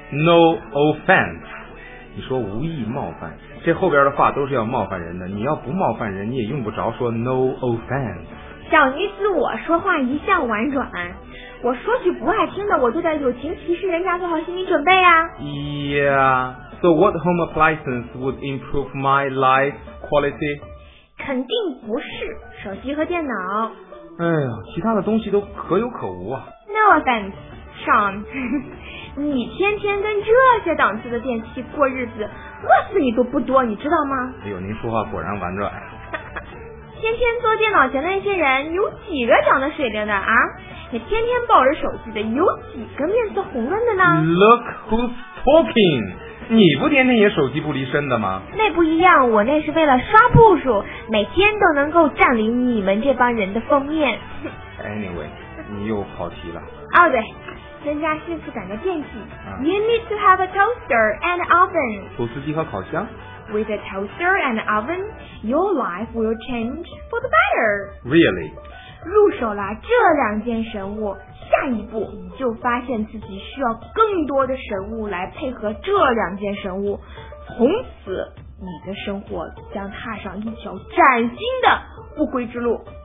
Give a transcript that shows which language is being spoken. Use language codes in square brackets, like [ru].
[en] No offense， [zh] 你说无意冒犯，这后边的话都是要冒犯人的，你要不冒犯人你也用不着说 No offense。小女子我说话一向婉转，我说句不爱听的，我就在友情提示人家做好心理准备啊。 [en] Yeah。 So what home appliance would improve my life quality? [zh] 肯定不是手机和电脑。哎呀，其他的东西都可有可无啊。 [en] No offense, Sean. [zh] 你天天跟这些档次的电器过日子，饿死你都不多，你知道吗？哎呦，您说话果然婉转。天天坐电脑前的那些人，有几个长得水灵的啊？你天天抱着手机的，有几个面色红润的呢？ [en] Look who's talking. [zh] 你不天天也手机不离身的吗？那不一样，我那是为了刷步数，每天都能够占领你们这帮人的封面。 [en] Anyway， [zh] 你又跑题了。哦，对，增加幸福感的电器。 [en] You need to have a toaster and oven. [zh] 吐司机和烤箱。 [en] With a toaster and oven, your life will change for the better. Really? [zh] 入手了这两件神物。下一步你就发现自己需要更多的神物来配合这两件神物，从此你的生活将踏上一条崭新的不归之路。